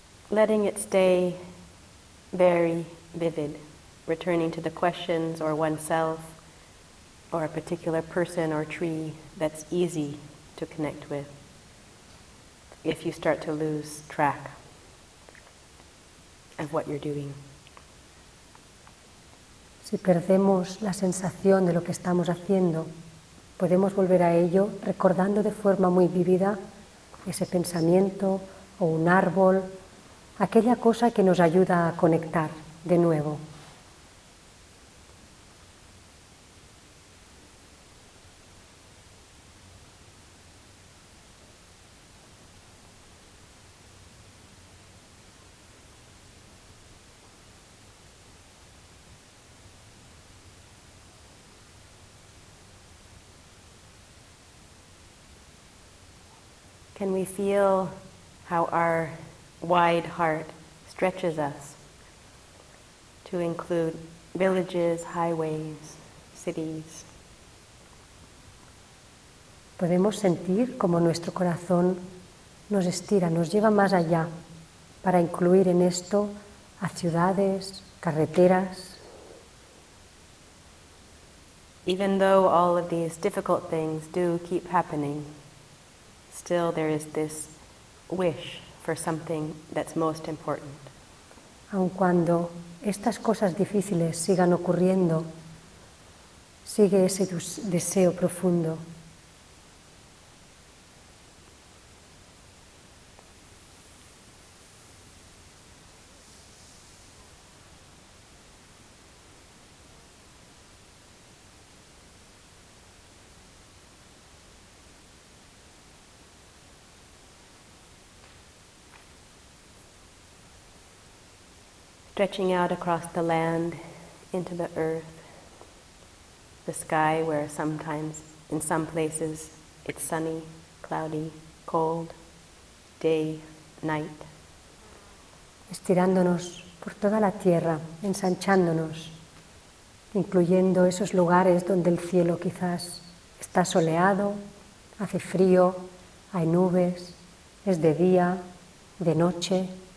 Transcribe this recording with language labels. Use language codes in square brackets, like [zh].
[en] Letting it stay very vivid, returning to the questions or oneself or a particular person or tree that's easy to connect with if you start to lose track of what you're doing. [es] Si perdemos la sensación de lo que estamos haciendo, podemos volver a ello recordando de forma muy vívida ese pensamiento o un árbol, aquella cosa que nos ayuda a conectar de nuevo. [en] Can we feel how our wide heart stretches us to include villages, highways, cities. [es] Podemos sentir como nuestro corazón nos estira, nos lleva más allá para incluir en esto a ciudades, carreteras. [en] Even though all of these difficult things do keep happening, still there is this wish for something that's most important. [es] Aun cuando estas cosas difíciles sigan ocurriendo, sigue ese deseo profundo. [en] stretching out across the land, into the earth, the sky, where sometimes, in some places, it's sunny, cloudy, cold, day, night. [es] Estirándonos por toda la tierra, ensanchándonos, incluyendo esos lugares donde el cielo quizás está soleado, hace frío, hay nubes, es de día, de noche.